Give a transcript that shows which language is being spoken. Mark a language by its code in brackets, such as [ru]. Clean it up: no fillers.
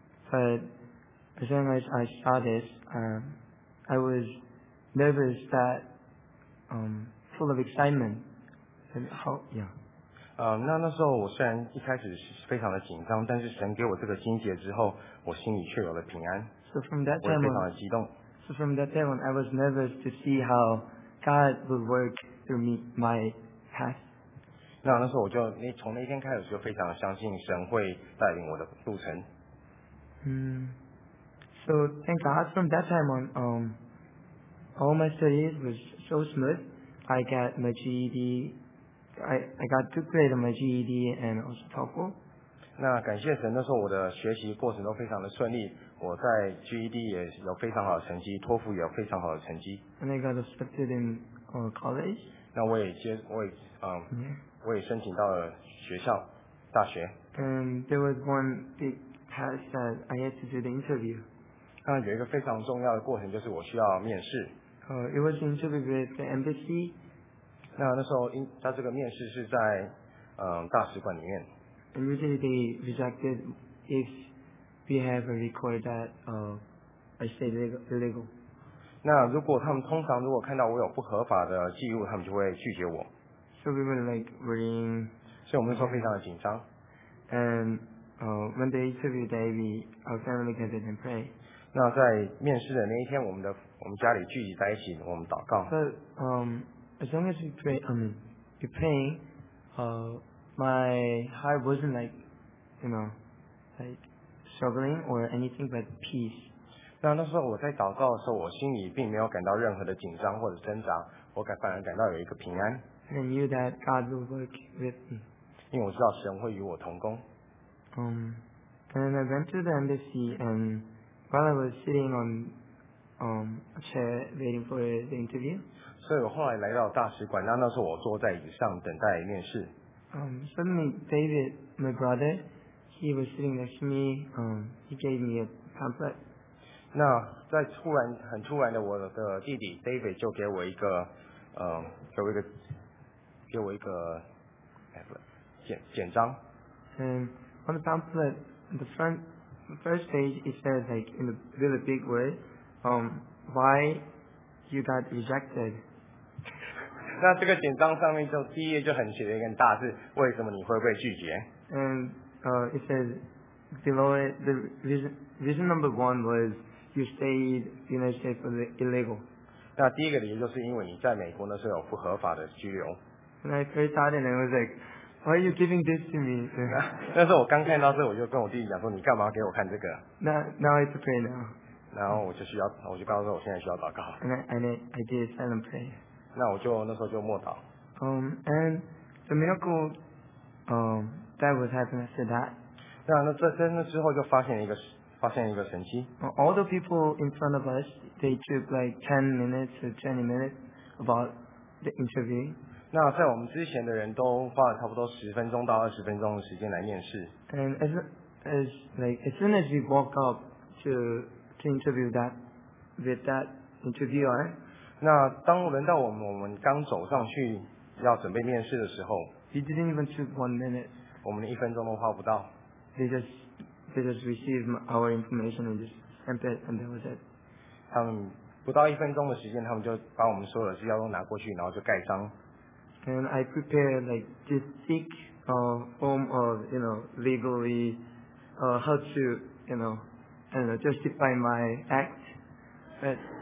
[en] But as soon as I saw this, I was nervous that, full of excitement. And how, yeah. [zh] 那时候我虽然一开始非常的紧张，但是神给我这个经节之后，我心里却有了平安。 [en] So from that time, [zh] 我非常的激动。 [en] So from that time, I was nervous to see how God would work through me, my past. [zh] 那时候我就从那天开始就非常相信神会带领我的路程。 [en] Mm. So thank God, from that time on, all my studies was so smooth. I got my GED, I got good grades on my GED and also TOEFL. [zh] 那感谢神，那时候我的学习过程都非常的顺利。我在 GED 也有非常好的成绩，托福也有非常好的成绩。 [en] And I got accepted in college. [zh] 那我也接，我也我也申请到了学校，大学。 [en] And there was one big task that I had to do the interview. [zh] 那有一个非常重要的过程，就是我需要面试。 [en] It was an interview with the embassy. [zh] 那那时候他这个面试是在大使馆里面。 [en] And usually they rejected if we have a record that I stay illegal. [zh] 那如果他们通常如果看到我有不合法的记录，他们就会拒绝我。 [en] So we were like worrying. [zh] 所以我们那时候非常的紧张。 [en] And when they interviewed David, our family gathered and prayed. [zh] 那在面试的那一天，我们家里聚集在一起，我们祷告。 [en] But as long as we pray, we praying, My heart wasn't like, you know, like struggling or anything but peace. [zh] 那那时候我在祷告的时候，我心里并没有感到任何的紧张或者挣扎，我反而感到有一个平安。 [en] And I knew that God will work with me. [zh] 因为我知道神会与我同工。 [en] And I went to the embassy, and while I was sitting on a chair waiting for the interview. [zh] 所以我后来来到大使馆，那时候我坐在椅上等待面试。 [en] Suddenly, David, my brother, he was sitting next to me. He gave me a pamphlet. [zh] 那在突然很突然的，我的弟弟 David 就给我一个，给我一个 pamphlet 简章。 [en] And on the pamphlet, the front, the first page, it said like in a really big word, why you got rejected. [zh] 那这个简章上面就第一页就很写了一个大字，为什么你会被拒绝 [en] ？And it says below it, the reason number one was you stayed in the United States for the illegal. [zh] 那第一个理由就是因为你在美国那时候有不合法的居留。 [en] And I first thought and I was like, why are you giving this to me? [zh] 那时候我刚看到这，我就跟我弟弟讲说，你干嘛给我看这个 [en] ？Now it's okay now. [zh] 然后我就告诉我现在需要祷告。 [en] And I did silent prayer. [zh] 那我就那时候就默祷。 [en] And the miracle, that was happening after that. [zh] 那那之后就发现一个神迹。 [en] All the people in front of us, they took like 10 minutes or 20 minutes about the interview. [zh] 那在我们之前的人都花了差不多10分钟到20分钟的时间来面试。 [en] And as soon as we walked up to interview with that interviewer. [zh] 那当轮到我们刚走上去要准备面试的时候 [en] ，He didn't even took 1 minute. [zh] 我们一分钟都花不到。 [en] They just received our information and just sent it and that was it. [zh] 他们不到一分钟的时间，他们就把我们所有的资料都拿过去，然后就盖章。 [en] And I prepared like this thick form of you know legally how to you know I don't know justify my act, but.